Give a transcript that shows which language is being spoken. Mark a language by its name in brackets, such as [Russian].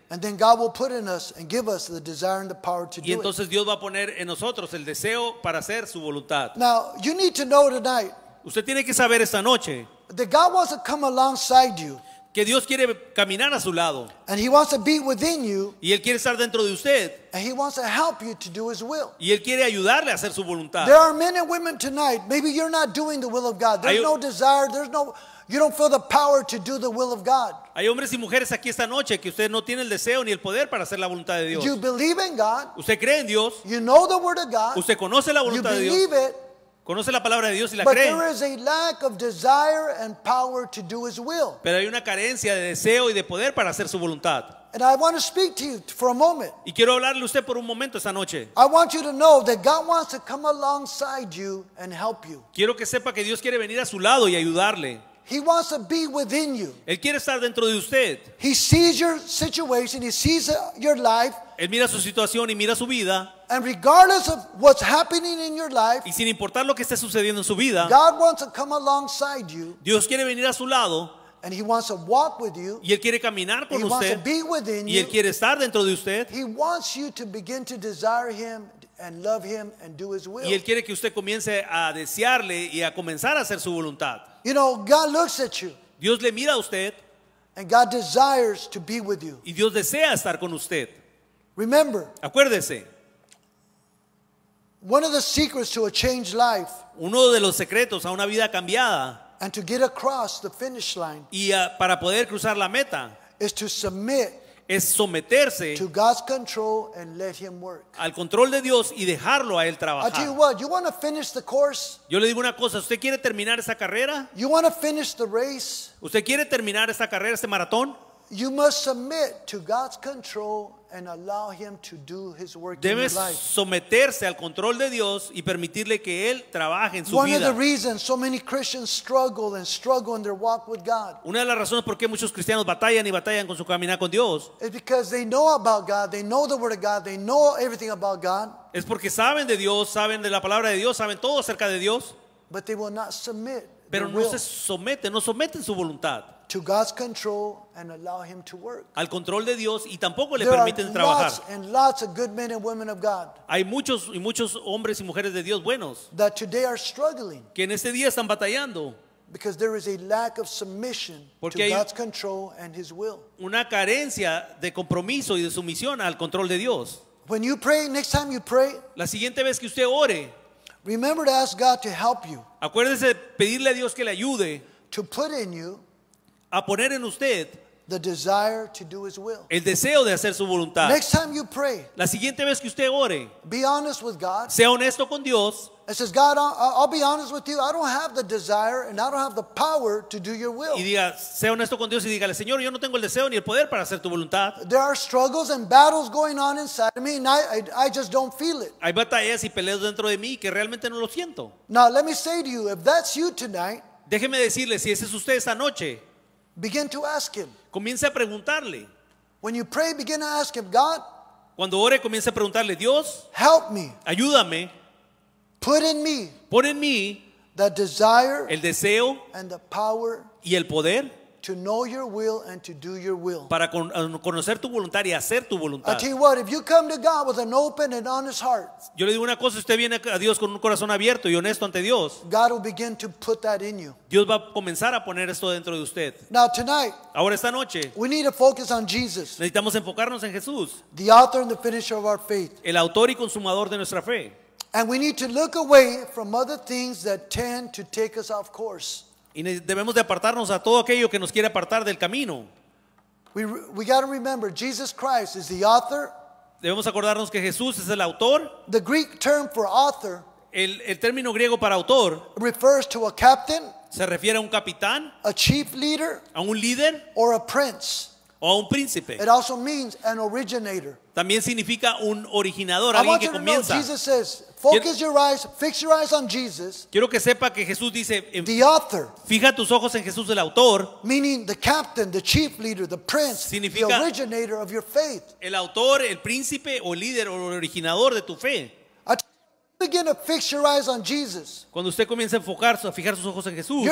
[English] And then God will put in us and give us the desire and the power to do it. [Spanish] Y entonces Dios va a poner en nosotros el deseo para hacer su voluntad. [English] Now, you need to know tonight. [Spanish] Usted tiene que saber esta noche. [English] That God wants to come alongside you. [Spanish] Que Dios quiere caminar a su lado. [English] And he wants to be within you. [Spanish] Y él quiere estar dentro de usted. [English] And he wants to help you to do his will. [Spanish] Y él quiere ayudarle a hacer su voluntad. [English] There are men and women tonight. Maybe you're not doing the will of God. There's no desire. There's no... You don't feel the power to do the will of God. [Spanish] Hay hombres y mujeres aquí esta noche que usted no tiene el deseo ni el poder para hacer la voluntad de Dios. [English] You believe in God. [Spanish] Usted cree en Dios. [English] You know the word of God. [Spanish] Usted conoce la voluntad de Dios. [English] You believe it. [Spanish] Conoce la palabra de Dios y la [English] but [Spanish] cree. [English] But there is a lack of desire and power to do His will. [Spanish] Pero hay una carencia de deseo y de poder para hacer su voluntad. [English] And I want to speak to you for a moment. [Spanish] Y quiero hablarle a usted por un momento esta noche. [English] I want you to know that God wants to come alongside you and help you. [Spanish] Quiero que sepa que Dios quiere venir a su lado y ayudarle. [English] He wants to be within you. [Spanish] Él quiere estar dentro de usted. [English] He sees your situation. He sees your life. [Spanish] Él mira su situación y mira su vida. [English] And regardless of what's happening in your life, [Spanish] y sin importar lo que esté sucediendo en su vida, [English] God wants to come alongside you. [Spanish] Dios quiere venir a su lado. [English] And he wants to walk with you. [Spanish] Y él quiere caminar con usted. [English] He wants to be within you. [Spanish] Y él quiere estar dentro de usted. [English] He wants you to begin to desire him and love him and do his will. [Spanish] Y él quiere que usted comience a desearle y a comenzar a hacer su voluntad. [English] You know, God looks at you. [Spanish] Dios le mira a usted. [English] And God desires to be with you. [Spanish] Y Dios desea estar con usted. [English] Remember. [Spanish] Acuérdese. [English] One of the secrets to a changed life. [Spanish] Uno de los secretos a una vida cambiada. [English] And to get across the finish line. [Spanish] Y para poder cruzar la meta. [English] Is to submit. [Spanish] Es someterse. [English] To God's control and let Him work. [Spanish] Al control de Dios y dejarlo a él trabajar. [English] I tell you what, you want to finish the course. [Spanish] Yo le digo una cosa. ¿Usted quiere terminar esa carrera? [English] You want to finish the race. [Spanish] ¿Usted quiere terminar esa carrera, este maratón? [English] You must submit to God's control and allow Him to do His work [Spanish] Debes [English] in your life. [Spanish] Someterse al control de Dios y permitirle que él trabaje en su [English] One [Spanish] vida. [English] One of the reasons so many Christians struggle and struggle in their walk with God. [Spanish] Una de las razones por qué muchos cristianos batallan y batallan con su caminar con Dios. [English] Is because they know about God, they know the Word of God, they know everything about God. [Spanish] Es porque saben de Dios, saben de la palabra de Dios, saben todo acerca de Dios. [English] But they will not submit. [Spanish] Pero no se someten, no someten su voluntad. [English] To God's control and allow Him to work. [Spanish] Al control de Dios y tampoco le [English] There [Spanish] permiten trabajar. [English] There are lots and lots of good men and women of God. [Spanish] Hay muchos y muchos hombres y mujeres de Dios buenos. [English] That today are struggling. [Spanish] Que en este día están batallando. [English] Because there is a lack of submission [Spanish] Porque [English] to God's control and His will. [Spanish] Una carencia de compromiso y de sumisión al control de Dios. [English] When you pray, next time you pray. [Spanish] La siguiente vez que usted ore. [English] Remember to ask God to help you. [Spanish] Acuérdese de pedirle a Dios que le ayude. [English] To put in you. [Spanish] A poner en usted [English] the desire to do His will. [Spanish] El deseo de hacer su voluntad. [English] Next time you pray, [Spanish] la siguiente vez que usted ore, [English] be honest with God. [Spanish] Sea honesto con Dios. [English] And says, God, I'll be honest with you. I don't have the desire and I don't have the power to do Your will. [Spanish] Y diga, sea honesto con Dios y dígale, Señor, yo no tengo el deseo ni el poder para hacer tu voluntad. [English] There are struggles and battles going on inside of me, and I just don't feel it. [Spanish] Hay batallas y peleas dentro de mí que realmente no lo siento. [English] Now let me say to you, if that's you tonight, [Spanish] déjeme decirle si ese es usted esta noche. [English] Begin to ask Him. [Spanish] Comience a preguntarle. [English] When you pray, begin to ask Him, God. [Spanish] Cuando ore, comience a preguntarle, Dios. [English] Help me. [Spanish] Ayúdame. [English] Put in me. [Spanish] Pon en mí. [English] The desire. [Spanish] El deseo. [English] And the power. [Spanish] Y el poder. [English] To know Your will and to do Your will. [Spanish] Para conocer tu voluntad y hacer tu voluntad. [English] I tell you what, if you come to God with an open and honest heart. [Spanish] Yo le digo una cosa, usted viene a Dios con un corazón abierto y honesto ante Dios. [English] God will begin to put that in you. [Spanish] Dios va a comenzar a poner esto dentro de usted. [English] Now tonight. [Spanish] Ahora esta noche. [English] We need to focus on Jesus. [Spanish] Necesitamos enfocarnos en Jesús. [English] The author and the finisher of our faith. [Spanish] El autor y consumador de nuestra fe. [English] And we need to look away from other things that tend to take us off course. [Spanish] Y debemos de apartarnos a todo aquello que nos quiere apartar del camino. [English] We got to remember Jesus Christ is the author. [Spanish] Debemos acordarnos que Jesús es el autor. [English] The Greek term for author. [Spanish] El término griego para autor. [English] Refers to a captain. [Spanish] Se refiere a un capitán. [English] A chief leader. [Spanish] A un líder. [English] Or a prince. [Spanish] O a un príncipe. [English] It also means an originator. [Spanish] También significa un originador, alguien que comienza. [English] Jesus says, Focus your eyes, fix your eyes on Jesus. [Spanish] Quiero que sepa que Jesús dice, [English] the author. [Spanish] Fija tus ojos en Jesús el autor. [English] Meaning the captain, the chief leader, the prince, [Spanish] significa [English] the originator of your faith. [Spanish] El autor, el príncipe o el líder o el originador de tu fe. [English] Begin to fix your eyes on Jesus. [Spanish] Cuando usted comienza a enfocarse, a fijar sus ojos en Jesús.